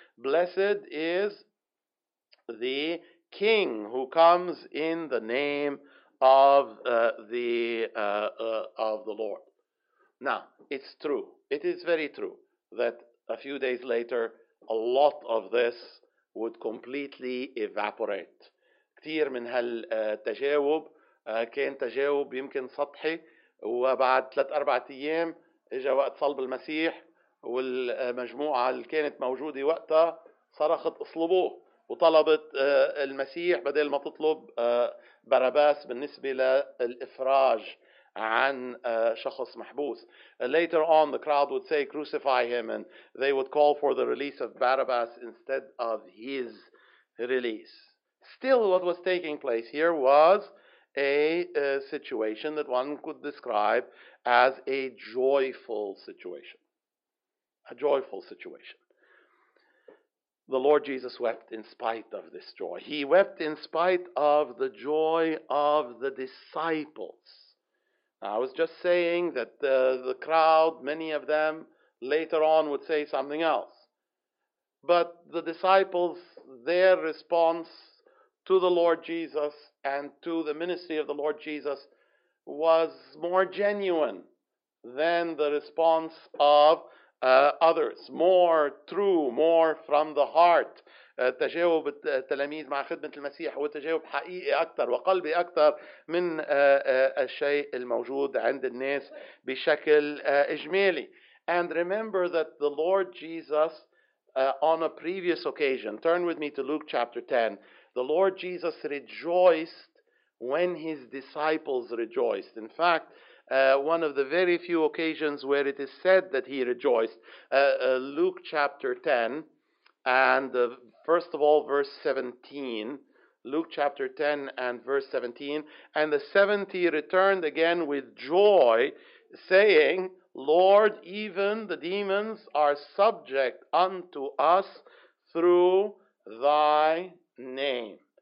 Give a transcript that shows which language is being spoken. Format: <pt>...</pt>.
<en>Blessed is the King who comes in the name of the Lord. Now, it's true. It is very true that a few days later, a lot of this would completely evaporate.</en> <ar>كتير من هالتجاوب كان تجاوب يمكن سطحي وبعد 3-4 أيام إجا وقت صلب المسيح والمجموعة اللي كانت موجودة وقتها صرخت اصلبوه وطلبت المسيح بدل ما تطلب برباس بالنسبة للإفراج عن شخص محبوس.</ar> <en>Later on, the crowd would say, crucify him, and they would call for the release of Barabbas instead of his release. Still, what was taking place here was a situation that one could describe as a joyful situation. A joyful situation. The Lord Jesus wept in spite of this joy. He wept in spite of the joy of the disciples. I was just saying that the crowd, many of them, later on would say something else. But the disciples, their response to the Lord Jesus and to the ministry of the Lord Jesus was more genuine than the response of others. More true, more from the heart.</en> <ar>تجاوب التلاميذ مع خدمة المسيح هو تجاوب حقيقي أكثر وقلبي أكثر من الشيء الموجود عند الناس بشكل إجمالي.</ar> <en>And remember that the Lord Jesus, on a previous occasion, turn with me to Luke chapter 10, the Lord Jesus rejoiced when his disciples rejoiced. In fact, one of the very few occasions where it is said that he rejoiced, Luke chapter 10, and first of all, verse 17, Luke chapter 10 and verse 17, and the 70 returned again with joy, saying, Lord, even the demons are subject unto us through thy name.</en>